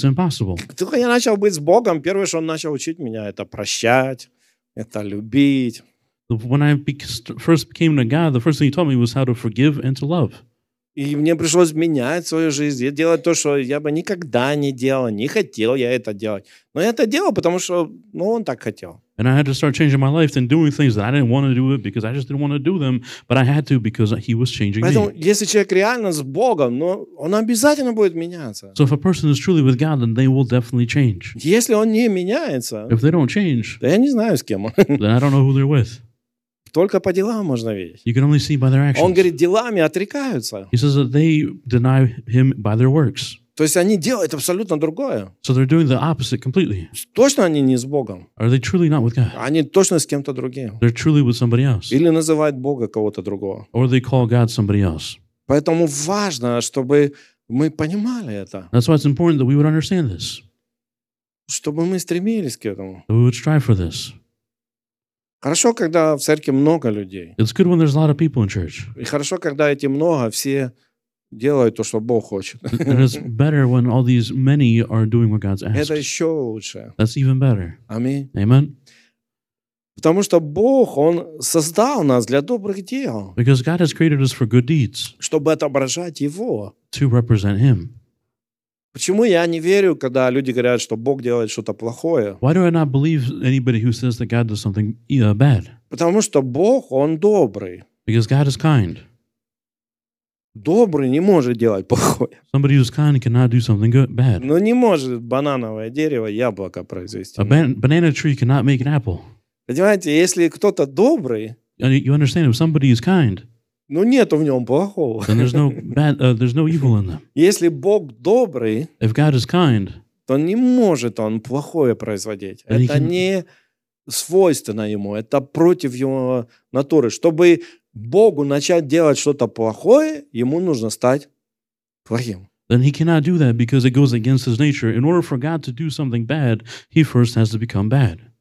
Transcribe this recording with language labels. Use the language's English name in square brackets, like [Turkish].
[English] It's impossible. [Russian] Только я начал быть с Богом, первое, что Он начал учить меня, это прощать, это любить. [English] When I first became to God, the first thing He taught me was how to forgive and to love. [Russian] И мне пришлось менять свою жизнь, делать то, что я бы никогда не делал, не хотел я это делать. Но я это делал, потому что, ну, Он так хотел. [English] And I had to start changing my life and doing things that I didn't want to do it because I just didn't want to do them, but I had to because He was changing [Russian] Поэтому, [English] me. [Russian] Поэтому, если человек реально с Богом, ну, он обязательно будет меняться. [English] So if a person is truly with God, then they will definitely change. [Russian] Если он не меняется, [English] if they don't change, [Russian] то я не знаю, с кем он. [English] Then I don't know who they're with. [Russian] Только по делам можно видеть. [English] You can only see by their actions. [Russian] Он говорит, делами отрекаются. [English] He says that they deny him by their works. [Russian] То есть они делают абсолютно другое. [English] So they're doing the opposite completely. [Russian] Точно они не с Богом. [English] Are they truly not with God? [Russian] Они точно с кем-то другим. [English] They're truly with somebody else. [Russian] Или называют Бога кого-то другого. [English] Or they call God somebody else. [Russian] Поэтому важно, чтобы мы понимали это. [English] That's why it's important that we would understand this. [Russian] Чтобы мы стремились к этому. [English] That we would strive for this. [Russian] Хорошо, когда в церкви много людей. [English] It's good when there's a lot of people in church. [Russian] И хорошо, когда эти много, все делают то, что Бог хочет. [English] And it's better when all these many are doing what God's asked. [Russian] Это еще лучше. [English] That's even better. [Russian] Аминь. [English] Amen. [Russian] Потому что Бог, Он создал нас для добрых дел. [English] Because God has created us for good deeds. [Russian] Чтобы отображать Его. [English] To represent Him. [Russian] Почему я не верю, когда люди говорят, что Бог делает что-то плохое? [English] Why do I not believe anybody who says that God does something bad? [Russian] Потому что Бог, Он добрый. [English] Because God is kind. [Russian] Добрый не может делать плохое. [English] Somebody who's kind cannot do something good, bad. [Russian] Но не может банановое дерево яблоко произвести. [English] A banana tree cannot make an apple. [Russian] Понимаете, если кто-то добрый, [English] you understand, if somebody is kind, [Russian] Ну нету в нём плохого. [English] Then there's no bad, there's no evil in them. [Russian] Если Бог добрый, [English] if God is kind, [Russian] то не может он плохое производить. Это не свойственно ему, это против его натуры. Чтобы Богу начать делать что-то плохое, ему нужно стать плохим. [English] Then he cannot do that because it goes against his nature. In order for God to do something bad, he first has to become bad.